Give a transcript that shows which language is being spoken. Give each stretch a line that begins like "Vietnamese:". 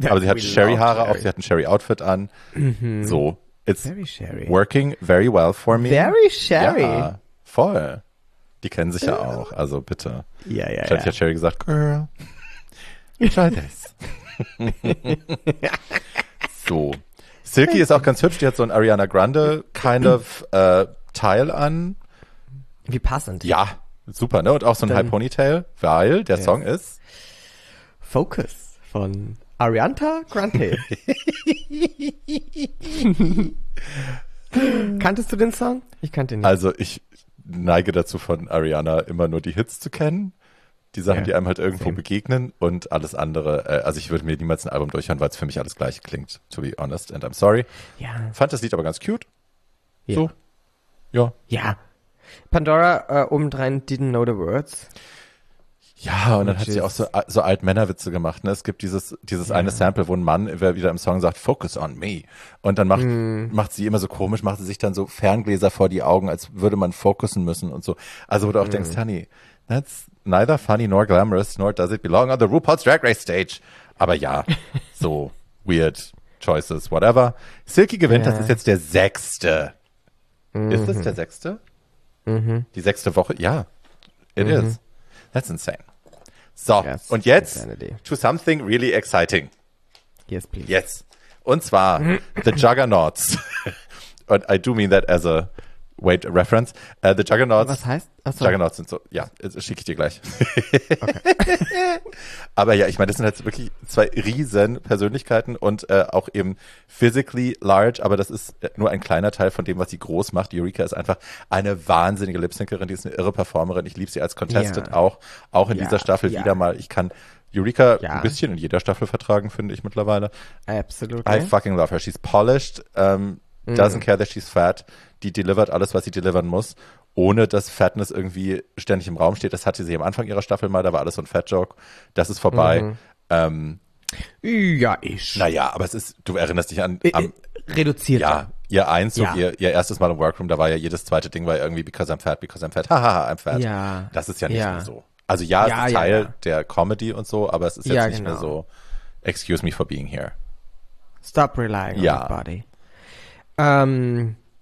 German: Aber sie hat Sherry-Haare auch, sie hat ein Sherry-Outfit an. Mhm. So.
English: It's very Sherry. Working very well for me. Very Sherry. Ja,
German: voll. Die kennen sich ja auch, also bitte. Ja, ja, ja. Ich hatte ja Cherry gesagt,
English: girl, try this.
German: So. Silky ist auch ganz hübsch, die hat so ein Ariana Grande
English: kind of
German: Teil an. Wie passend. Ja, super, ne? Und auch so ein High Ponytail, weil der Song ist Focus von Ariana Grande. Kanntest du den Song? Ich kannte ihn nicht. Also ich neige dazu, von Ariana immer nur die Hits zu kennen. Die Sachen, die einem halt irgendwo begegnen und alles andere. Also ich würde mir niemals ein Album durchhören, weil es für mich alles gleich klingt,
English: to be honest. And I'm sorry.
German: Ja. Fand das Lied aber ganz cute. Ja. So. Ja. Ja.
English: Pandora obendrein didn't know the words.
German: Ja, und dann hat sie auch so Alt-Männer-Witze gemacht. Ne? Es gibt dieses eine Sample, wo ein Mann wieder im Song sagt,
English: focus on me.
German: Und dann macht sie immer so komisch, macht sie sich dann so Ferngläser vor die Augen, als würde man focussen müssen und so. Also wo du auch denkst,
English: honey, that's neither funny nor glamorous, nor does it belong on the RuPaul's Drag Race stage.
German: Aber ja,
English: so weird choices, whatever.
German: Silky gewinnt, das ist jetzt der sechste. Mm-hmm. Ist das der sechste? Mm-hmm. Die sechste Woche? Ja,
English: it is. That's insane. So, yes,
German: und jetzt
English: to something really exciting. Yes, please. Yes.
German: Und zwar
English: the Juggernauts. And I do mean that as a weight reference. The Juggernauts.
German: Was heißt? Achso. Juggernauts sind so, ja, schicke ich dir gleich. Okay. Aber ja, ich meine, das sind halt wirklich zwei riesen Persönlichkeiten und auch eben
English: physically large,
German: aber das ist nur ein kleiner Teil von dem, was sie groß macht. Eureka ist einfach eine wahnsinnige Lip-Syncerin, die ist eine irre Performerin. Ich liebe sie als Contestant auch in dieser Staffel wieder mal. Ich kann Eureka ein bisschen in jeder Staffel vertragen, finde ich mittlerweile. Absolut.
English: I fucking love her. She's polished, doesn't care that she's fat.
German: Die delivert alles, was sie delivern muss, ohne dass Fatness irgendwie ständig im Raum steht. Das hatte sie am Anfang ihrer Staffel mal, da war alles so ein Fat-Joke. Das ist vorbei. Naja, aber es ist, du erinnerst dich an... reduziert. Ja, ihr Einzug, ihr erstes Mal im Workroom, da war ja jedes zweite Ding, war irgendwie,
English: because I'm fat, hahaha, I'm fat.
German: Ja. Das ist ja nicht mehr so. Also ja, es ist Teil der Comedy und so, aber es ist jetzt nicht mehr so,
English: excuse me for being here. Stop relying on your body.